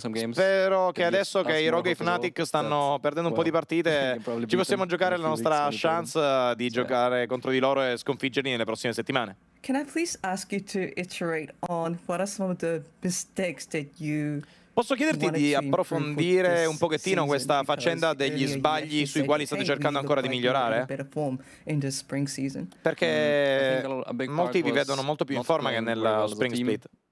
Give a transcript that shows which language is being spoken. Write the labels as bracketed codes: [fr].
[it] Spero che adesso che i Rogue e Fnatic stanno perdendo un po' di partite ci possiamo giocare la nostra chance di giocare contro di loro e sconfiggerli nelle prossime settimane. [en] Can I please ask you to iterate on what are some of the mistakes that you... [it] Posso chiederti di approfondire un pochettino questa faccenda degli sbagli sui quali state cercando ancora di migliorare? Perché molti vi vedono molto più in forma che nel Spring Split.